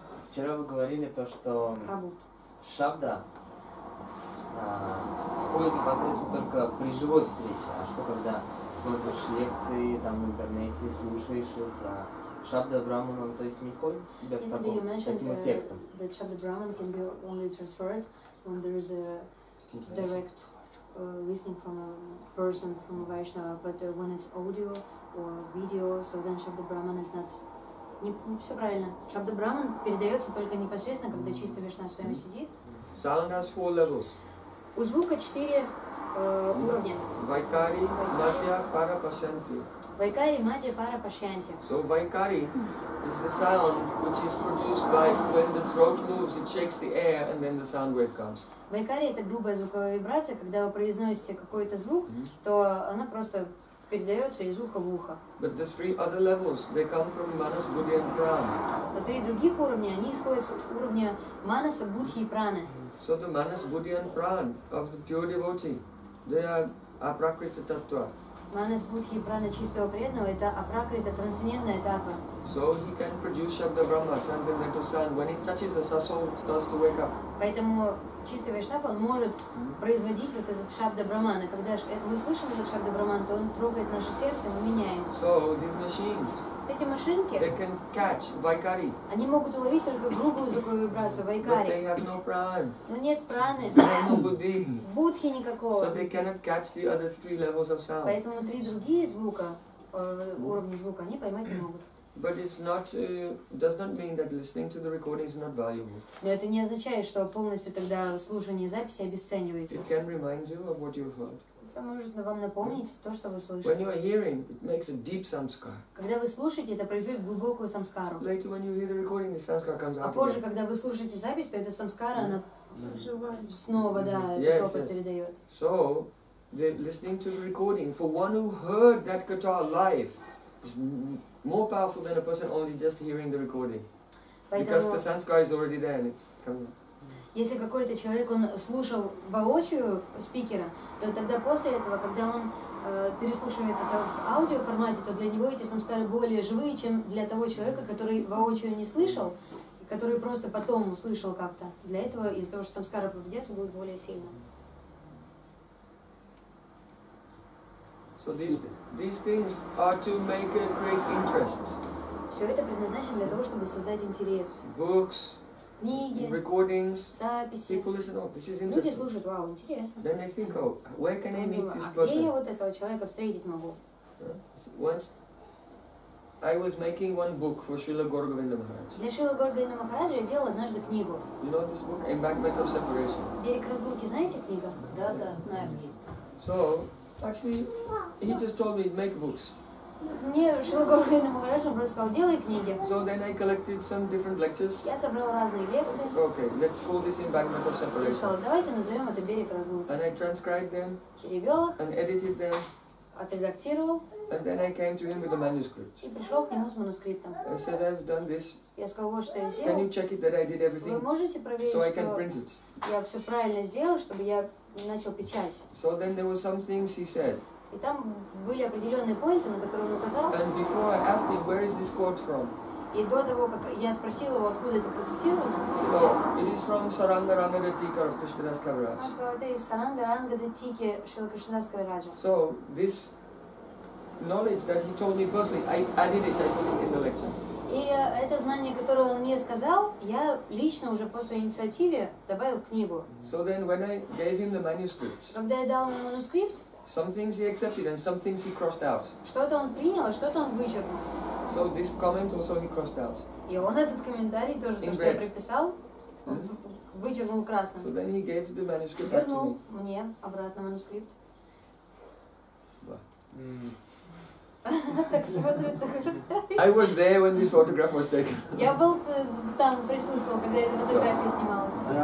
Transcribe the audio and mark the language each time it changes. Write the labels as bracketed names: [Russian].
[Russian] Вчера вы говорили то, что... Рабу. Шабда входит непосредственно только при живой встрече. А что когда смотришь лекции там в интернете, слушаешь их, а Шабда Брахман, он, то есть, не входит в тебя в собой с таким эффектом? [English] That Shabda Brahman can be only transferred when there is a direct listening from a person, from a Vaishnava, but when it's audio or video, so then Shabda Brahman is not... [Russian] Не, не все правильно. Шабда Брахман передается только непосредственно, когда чистый Вишнава с вами сидит. [English] Sound has four levels. [Russian] У звука четыре уровня. [English] Vaikari, Madhya, Para, Pashyanti. [Russian] Vaikari, Madhya, Para, Pashyanti. [English] So Vaikari is the sound which is produced by when the throat moves, it shakes the air and then the sound wave comes. [Russian] Vaikari — это грубая звуковая вибрация, когда вы произносите какой-то звук, то она просто передается из уха в ухо. [English] But the three other levels, they come from Manas, Buddhi and Prana. [Russian] Но три других уровня, они исходят с уровня Манаса, Будхи и Праны. [English] So the Manas, Buddhi and Prana of the pure devotee, they are Aprakriti Tattva. [Russian] Манас, Будхи и Прана чистого преданного — это Апракрита, трансцендентная этапа. [English] So he can produce Shabda Brahma, transcendental sound. When it touches us, our soul starts to wake up. [Russian] Поэтому чистый Вайшнав, он может производить вот этот Шабда Брахман. И когда мы слышим этот Шабда Брахман, то он трогает наше сердце, мы меняемся. [English] So these machines, [Russian] эти машинки, [English] they can catch Vaikari. [Russian] Они могут уловить только грубую звуковую вибрацию, Vaikari. [English] But they have no pran. [Russian] Но нет праны. [English] No Buddhi. [Russian] Будхи никакого. [English] So they cannot catch the other three levels of sound. [Russian] Поэтому три другие звука, уровни звука, они поймать не могут. [English] But it's not does not mean that listening to the recording is not valuable. [Russian] Но это не означает, что полностью тогда слушание записи обесценивается. [English] It can remind you of what you've heard. [Russian] Это может вам напомнить то, что вы слышали. [English] When you are hearing, it makes a deep samskara. [Russian] Когда вы слушаете, это производит глубокую самскару. [English] Later, when you hear the recording, the samskara comes out. [Russian] А позже, когда вы слушаете запись, то эта самскара она снова, да, опыт передает. [English] So, the listening to the recording for one who heard that kata live is more powerful than a person only just hearing the recording. [Russian] Поэтому, [English] because the sanskara is already there and it's coming. [Russian] Если какой-то человек он слушал воочию спикера, то тогда после этого, когда он переслушивает это в аудиоформате, то для него эти самскары более живые, чем для того человека, который воочию не слышал, который просто потом услышал как-то. Для этого, из-за того, что самскара поведется, будет более сильно. [English] So these things are to make a great interest. [Russian] Все это предназначено для того, чтобы создать интерес. [English] Books, [Russian] книги, [English] recordings, [Russian] записи. [English] People listen. Oh, this is interesting. [Russian] Люди слушают. Вау, интересно. [English] Then they think, oh, where can I meet this person? [Russian] А где я вот этого человека встретить могу? [English] Once I was making one book for Srila Gauravinda Maharaj. [Russian] Для Шрилы Гаурагавинды Махараджа я делал однажды книгу. [English] You know this book, Embankment of Separation. [Russian] Берег разлуки, знаете книга? Да, да, знаю. [English] So. Actually, he just told me make books. [Russian] Мне Шрила Гаурагавинда Махарадж просто сказал делай книги. [English] So then I collected some different lectures. [Russian] Я собрал разные лекции. [English] Okay, let's call this embankment of separation. [Russian] Я сказал, давайте назовем это берег разлуки. [English] And I transcribed them. [Russian] Перевел их. [English] And edited them. [Russian] Отредактировал. [English] And then I came to him with a manuscript. [Russian] И пришел к нему с манускриптом. [English] I said I've done this. [Russian] Я сказал, вот что я сделал. [English] Can you check it that I did everything? [Russian] Вы можете проверить, [English] so I can print it. [Russian] Я все правильно сделал, чтобы я начал печать. [English] So then there were some things he said. [Russian] И там были определенные поинты, на которые он указал. [English] And before I asked him, where is this quote from? [Russian] И до того, как я спросил его, откуда это процитировано, [English] so, it is from Saranga Rangada Tika of Krishnadas Kaviraj. [Russian] Он сказал, это из Саранга Рангада Тики Шрилы Кришнадас Кавираджа. [English] So this knowledge that he told me personally, I added it, I put it in the lecture. [Russian] И это знание, которое он мне сказал, я лично уже по своей инициативе добавил в книгу. [English] So then when I gave him the manuscript, [Russian] когда я дал ему манускрипт, [English] some things he accepted and some things he crossed out. [Russian] Что-то он принял, а что-то он вычеркнул. [English] So this comment also he crossed out. [Russian] И он этот комментарий тоже, то, что я приписал, вычеркнул красным. [English] So then he gave the manuscript back to me. [Russian] Вернул мне обратно манускрипт. Так смотрит. [English] I was there when this photograph was taken. [Russian] Я был там, присутствовал, когда эта фотография снималась.